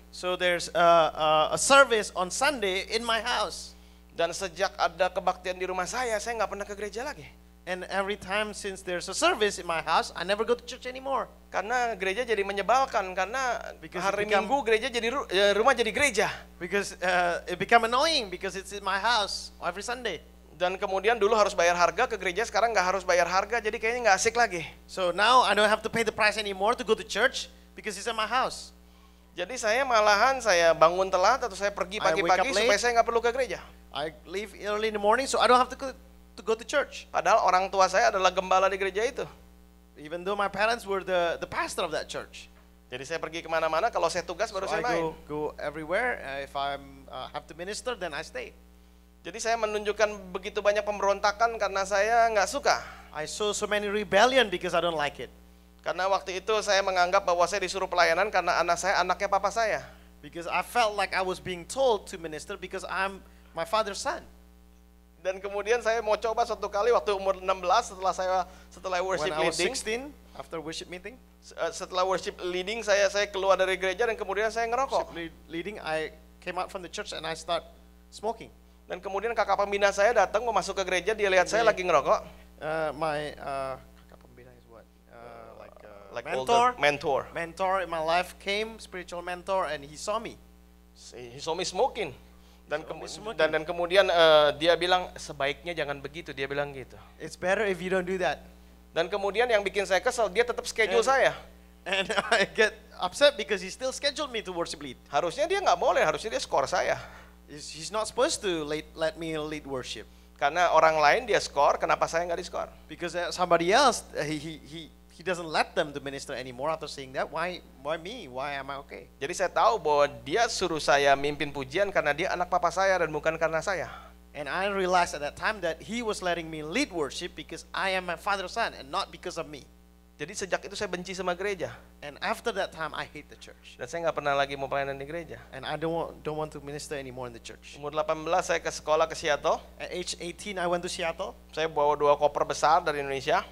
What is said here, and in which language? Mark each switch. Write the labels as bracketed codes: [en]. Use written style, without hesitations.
[en] So there's a service on Sunday in my house. [id] Dan sejak ada kebaktian di rumah saya enggak pernah ke gereja lagi. [en] And every time since there's a service in my house, I never go to church anymore. [id] Karena gereja jadi menyebalkan, karena because hari Minggu gereja jadi rumah jadi gereja. [en] Because it become annoying because it's in my house every Sunday. [id] Dan kemudian dulu harus bayar harga ke gereja, sekarang enggak harus bayar harga, jadi kayaknya enggak asik lagi. [en] So now I don't have to pay the price anymore to go to church because it's in my house. [id] Jadi saya malahan saya bangun telat atau saya pergi pagi-pagi supaya saya enggak perlu ke gereja. [en] I leave early in the morning so I don't have to go to church. [id] Padahal orang tua saya adalah gembala di gereja itu. [en] Even though my parents were the pastor of that church. [id] Jadi saya pergi kemana-mana kalau saya tugas baru [en] so [id] saya [en] I [id] main. [en] Go everywhere if I have to minister then I stay. [id] Jadi saya menunjukkan begitu banyak pemberontakan karena saya enggak suka. [en] I saw so many rebellion because I don't like it. [id] Karena waktu itu saya menganggap bahwa saya disuruh pelayanan karena anak saya anaknya papa saya. [en] Because I felt like I was being told to minister because I'm my father's son. [id] Dan kemudian saya mau coba satu kali waktu umur 16 setelah worship [en] when leading. When I was 16 after worship meeting. [id] Setelah worship leading saya keluar dari gereja dan kemudian saya ngerokok. [en] Worship leading I came out from the church and I start smoking. [id] Dan kemudian kakak pembina saya datang mau masuk ke gereja dia lihat saya lagi ngerokok. [en] Kakak pembina is what like mentor. Older, mentor. Mentor in my life came spiritual mentor and he saw me. He saw me smoking. [id] Dan kemudian dia bilang sebaiknya jangan begitu, dia bilang gitu. [en] It's better if you don't do that. [id] Dan kemudian yang bikin saya kesel dia tetap schedule saya. [en] And I get upset because he still scheduled me to worship lead. [id] Harusnya dia enggak boleh, harusnya dia skor saya. [en] He's not supposed to let me lead worship. [id] Karena orang lain dia score, kenapa saya enggak di score? [en] Because somebody else he doesn't let them to minister anymore after seeing that. Why me? Why am I okay? [id] Jadi saya tahu bahwa dia suruh saya mimpin pujian karena dia anak papa saya dan bukan karena saya. [en] And I realized at that time that he was letting me lead worship because I am my father's son and not because of me. [id] Jadi sejak itu saya benci sama gereja. [en] And after that time I hate the church. [id] Dan saya enggak pernah lagi mau pelayanan di gereja. [en] And I don't want to minister anymore in the church. [id] Umur 18 saya ke sekolah ke Seattle. [en] At age 18 I went to Seattle. [id] Saya bawa dua koper besar dari Indonesia.